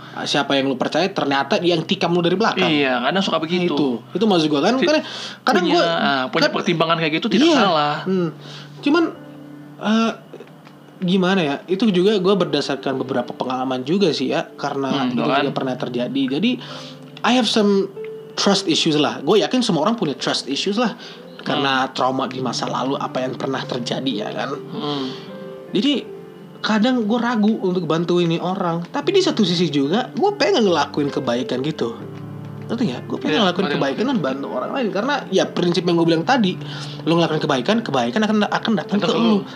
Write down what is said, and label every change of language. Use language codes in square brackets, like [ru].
[id] Siapa yang lu percaya ternyata yang tikam lu dari belakang. Iya, kadang suka begitu. Itu maksud gue kan, kadang punya, punya pertimbangan kayak gitu tidak salah. Cuman gimana ya, itu juga gue berdasarkan beberapa pengalaman juga sih ya. Karena itu kan juga pernah terjadi. Jadi [en] I have some trust issues lah. [id] Gue yakin semua orang punya trust issues lah. Karena trauma di masa lalu, apa yang pernah terjadi ya kan. Jadi kadang gue ragu untuk bantu ini orang, tapi di satu sisi juga gue pengen ngelakuin kebaikan gitu. Ngerti gak? Gue pengen ngelakuin kebaikan dan bantu orang lain. Karena ya prinsip yang gue bilang tadi, lo ngelakuin kebaikan, kebaikan akan datang ke lo.